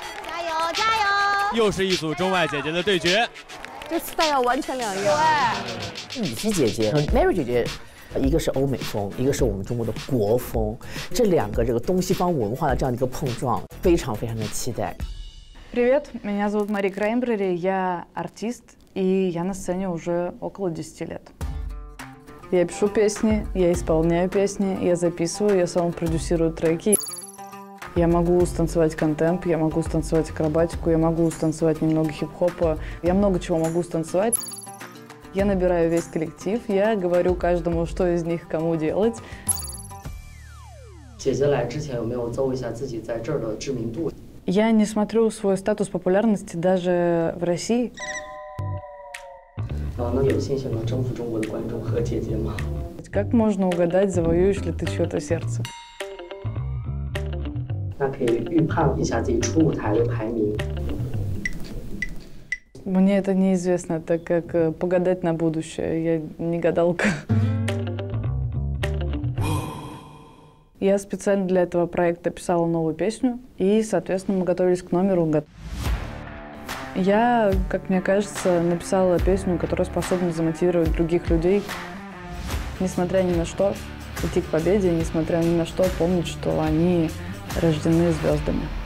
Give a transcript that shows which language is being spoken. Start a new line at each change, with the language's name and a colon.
Chinese: 加油加油。又是一组中外姐姐的对决，这次大家完全两样。对，雨曦姐姐和 Mary 姐姐一个是欧美风，一个是我们中国的国风，这两个这个东西方文化的这样的一个碰撞，非常非常的期待。
Russian: Привет, меня зовут Мария Краймбрери, я артист, и я на сцене уже около 10 лет. Я пишу песни, я исполняю песни, я записываю, я сам продюсирую треки. Я могу станцевать контемп, я могу станцевать акробатику, я могу станцевать немного хип-хопа, я много чего могу станцевать. Я набираю весь коллектив, я говорю каждому, что из них кому делать.
Chinese: 姐姐来之前有没有搜一下自己在这儿的知名度？
Russian: Я не смотрю свой статус популярности даже в России.
Chinese: 能有信心能征服中国的观众和姐姐吗？
Russian: Как можно угадать, завоюешь ли ты чье-то сердце?
Chinese: 那可以预判一下自己初舞台的排名。
Russian: Мне это неизвестно, так как погадать на будущее, я не гадалка. Я специально для этого проекта писала новую песню, и, соответственно, мы готовились к номеру. Я, как мне кажется, написала песню, которая способна замотивировать других людей, несмотря ни на что, идти к победе, несмотря ни на что, помнить, что они рождены звездами.